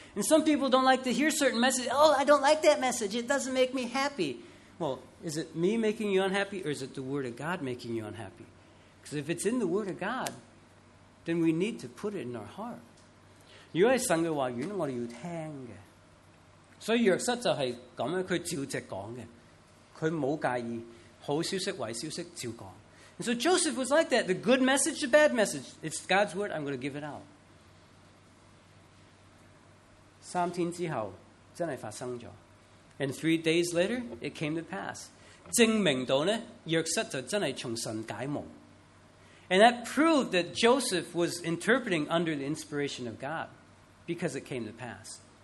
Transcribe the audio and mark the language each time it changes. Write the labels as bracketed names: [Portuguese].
[English] And some people don't like to hear certain messages. Oh, I don't like that message. It doesn't make me happy. Well, is it me making you unhappy, or is it the Word of God making you unhappy? Because if it's in the Word of God, then we need to put it in our heart. [Chinese] 如果是神的话语，我们要听的。所以约瑟就是这样，他照直说的，他没有介意，好消息、坏消息照说。 [English] And so Joseph was like that, the good message, the bad message, it's God's word, I'm going to give it out. [Chinese] 3天之后，真的发生了。 [English] And 3 days later, it came to pass. [Chinese] 证明到呢，约瑟就真的从神解梦。 [English] And that proved that Joseph was interpreting under the inspiration of God because it came to pass.